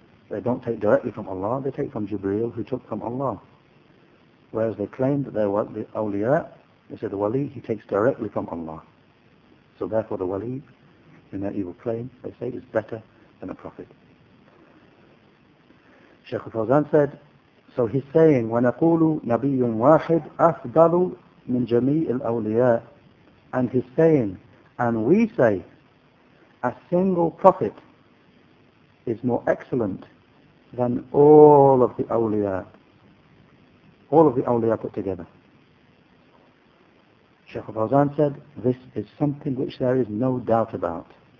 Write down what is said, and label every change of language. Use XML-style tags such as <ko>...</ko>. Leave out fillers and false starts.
<en>They don't take directly from Allah, they take from Jibreel, who took from Allah. Whereas they claim that they're the awliya, they say the wali, he takes directly from Allah. So therefore the wali, in their evil claim, they say, is better than a prophet. Shaykh al-Fawzan said, so he's saying,</en> <ar>وَنَقُولُ نَبِيٌ وَاحِدٌ أَفْضَلُ مِنْ جَمِيعِ الْأَوْلِيَاءِ.</ar> <en>And he's saying, and we say, a single prophet is more excellent than all of the awliya, all of the awliya put together. Shaykh al-Fawzan said, this is something which there is no doubt about.</en>